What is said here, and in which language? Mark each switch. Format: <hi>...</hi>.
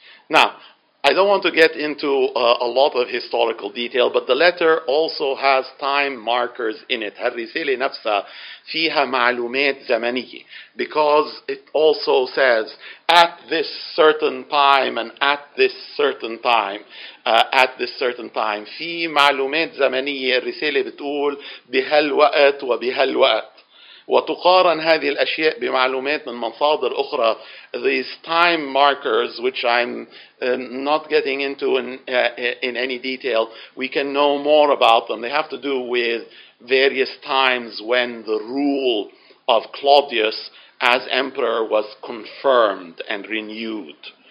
<en>Now, I don't want to get into a lot of historical detail, but the letter also has time markers in it.</en> <ar>الرسالة نفسها فيها معلومات زمنية,</ar> <en>because it also says at this certain time and at this certain time, at this certain time.</en> <ar>في معلومات زمنية الرسالة بتقول بهالوقت وبهالوقت. وتقارن هذه الأشياء بمعلومات من مصادر أخرى.</ar> <en>These time markers, which I'm not getting into in any detail, we can know more about them. They have to do with various times when the rule of Claudius as emperor was confirmed and renewed.</en>